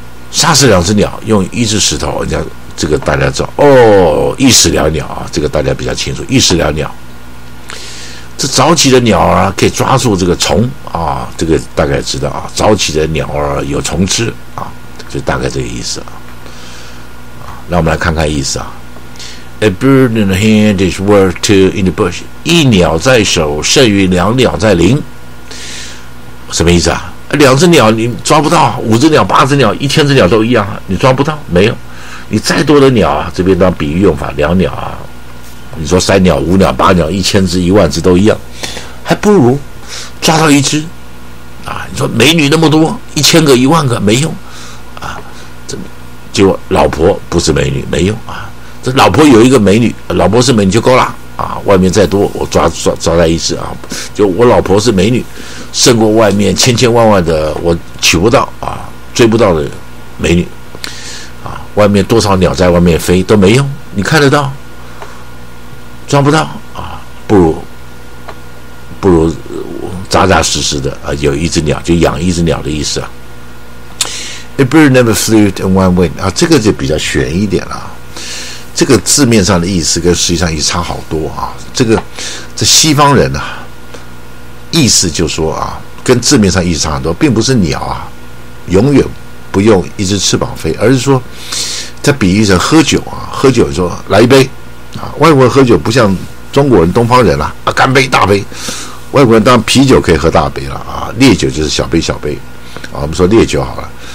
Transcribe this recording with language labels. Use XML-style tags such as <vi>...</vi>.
<zh>杀死两只鸟，用一只石头，人家这个大家知道哦，一石两鸟啊，这个大家比较清楚，一石两鸟。这早起的鸟儿可以抓住这个虫啊，这个大概知道啊，早起的鸟儿有虫吃啊。就大概这个意思啊，让我们来看看意思啊。</zh> <en>A bird in the hand is worth two in the bush。</en> <zh>一鸟在手，胜于两鸟在林。什么意思啊？两只鸟你抓不到，五只鸟、八只鸟、一千只鸟都一样，你抓不到，没有。你再多的鸟啊，这边当比喻用法，两鸟啊，你说三鸟、五鸟、八鸟、一千只、一万只都一样，还不如抓到一只啊。你说美女那么多，一千个、一万个没用。结果老婆不是美女没用啊，这老婆有一个美女，老婆是美女就够了啊，外面再多我抓在一次啊，就我老婆是美女胜过外面千千万万的我娶不到啊追不到的美女啊，外面多少鸟在外面飞都没用，你看得到抓不到啊，不如扎扎实实的啊，有一只鸟就养一只鸟的意思啊。</zh> <en>A bird never flew in one wing</en> <zh>啊，这个就比较悬一点了。这个字面上的意思跟实际上也差好多啊。这西方人啊，意思就说啊，跟字面上意思差很多，并不是鸟啊永远不用一只翅膀飞，而是说它比喻成喝酒啊，喝酒说来一杯啊，外国人喝酒不像中国人、东方人啊干杯大杯，外国人当啤酒可以喝大杯了啊，烈酒就是小杯小杯啊，我们说烈酒好了。</zh>